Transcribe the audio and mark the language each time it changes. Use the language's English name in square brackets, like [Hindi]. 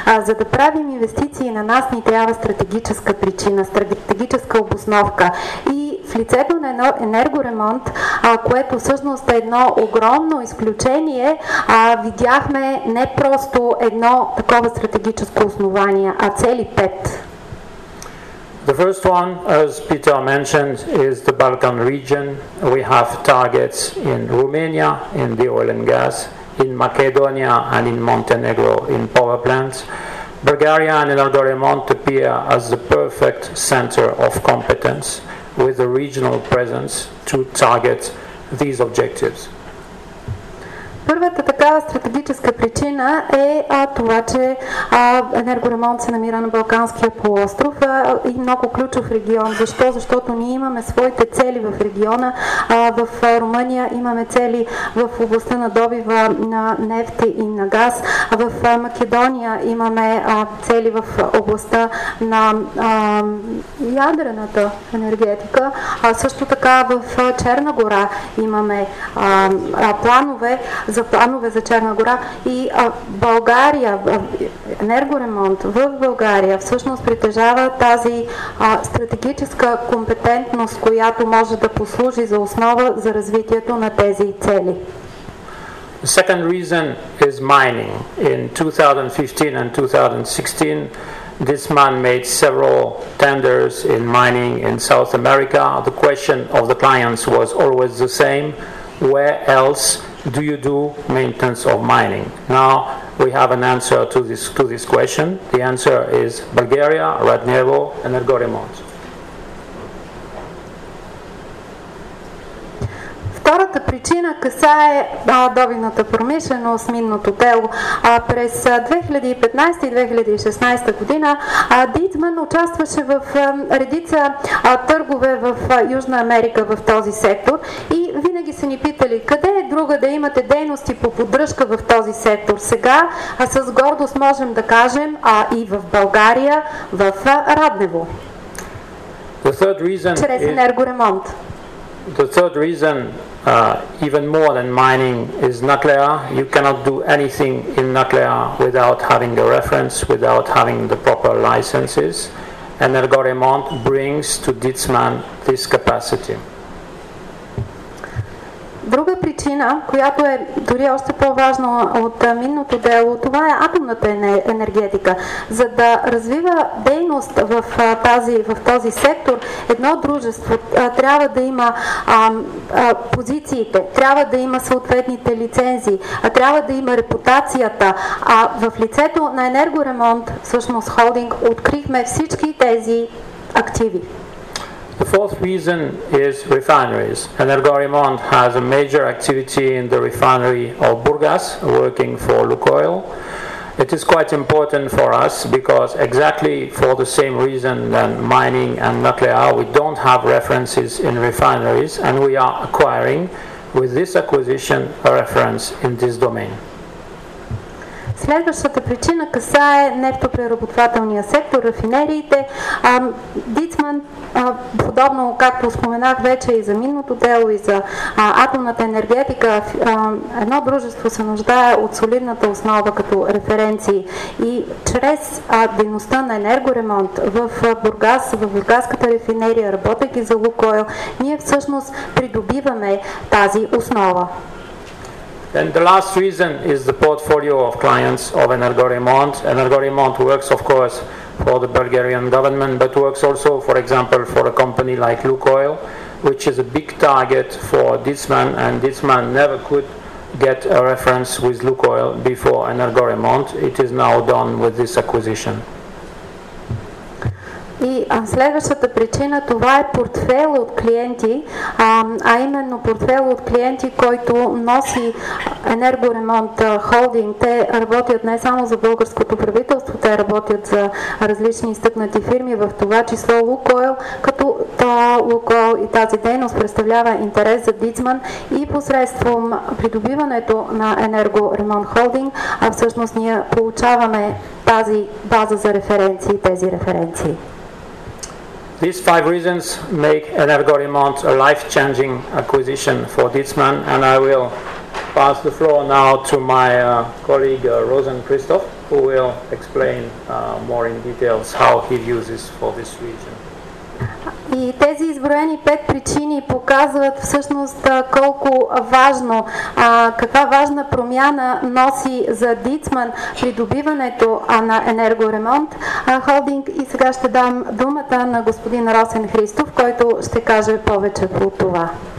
[Bulgarian] За да правим инвестиции, на нас ни трябва стратегическа причина, стратегическа обосновка. И в лицето на Енергоремонт, което всъщност е едно огромно изключение, видяхме не просто едно такова стратегическо основание, а цели пет. [English] The first one, as Peter mentioned, is the Balkan region. We have targets in Romania, in the oil and gas, in Macedonia and in Montenegro, in power plants. Bulgaria and Energoremont appear as the perfect center of competence. With a regional presence to target these objectives. [Bulgarian] Първата такава стратегическа причина е това, че Енергоремонт се намира на Балканския полуостров и много ключов регион. Защо? Защото ние имаме своите цели в региона. В Румъния имаме цели в областта на добива на нефт и на газ. В Македония имаме цели в областта на ядрената енергетика. Също така в Черна гора имаме планове за Черна гора и България, Енергоремонт в България всъщност притежава тази стратегическа компетентност, която може да послужи за основа за развитието на тези цели. [English] The second reason is mining. In 2015 and 2016, Dicman made several tenders in mining in South America. The question of the clients was always the same. Where else do you do maintenance of mining? Now we have an answer to this question. The answer is Bulgaria, Ratnevo, and Energoremont. [Bulgarian] Втората причина касае добивната промишленост, минното дело. През 2015 и 2016 година Дицман участваше в редица търгове в Южна Америка в този сектор и винаги са ни питали къде е друга да имате дейности по поддръжка в този сектор. Сега с гордост можем да кажем и в България, в Раднево. Чрез Енергоремонт. [English] The third reason, even more than mining, is nuclear. You cannot do anything in nuclear without having a reference, without having the proper licenses. And Energoremont brings to Dicman this capacity. [Bulgarian] Друга причина, която е дори още по-важна от минното дело, това е атомната енергетика. За да развива дейност в този сектор, едно дружество трябва да има позициите, трябва да има съответните лицензии, трябва да има репутацията. А в лицето на Енергоремонт, всъщност холдинг, открихме всички тези активі. [English] The fourth reason is refineries. Energoremont has a major activity in the refinery of Burgas, working for Lukoil. It is quite important for us because exactly for the same reason than mining and nuclear, we don't have references in refineries and we are acquiring with this acquisition a reference in this domain. [Bulgarian] Следващата причина касае нефтопреработвателния сектор, рафинериите. Дицман, подобно както споменах вече и за минното дело, и за атомната енергетика, едно дружество се нуждае от солидната основа като референции. И чрез дейността на енергоремонт в Бургас, в бургаската рафинерия, работейки за Лукойл, ние всъщност придобиваме тази основа. [English] And the last reason is the portfolio of clients of Energoremont. Energoremont works, of course, for the Bulgarian government, but works also, for example, for a company like Lukoil, which is a big target for Dietzman, and Dietzman never could get a reference with Lukoil before Energoremont. It is now done with this acquisition. [Bulgarian] И следващата причина, това е портфел от клиенти, а именно портфел от клиенти, който носи Енергоремонт холдинг. Те работят не само за българското правителство, те работят за различни изтъкнати фирми, в това число Лукойл, като Лукойл и тази дейност представлява интерес за Дицман и посредством придобиването на Енергоремонт холдинг, а всъщност ние получаваме тази база за референции, тези референции. [English] These five reasons make Energoremont a life-changing acquisition for Dietzman, and I will pass the floor now to my colleague Rosen Christoph, who will explain more in details how he views this for this region. [Bulgarian] И тези изброени пет причини показват всъщност колко важно, каква важна промяна носи за Дицман придобиването на Енергоремонт холдинг. И сега ще дам думата на господин Росен Христов, който ще каже повече по това.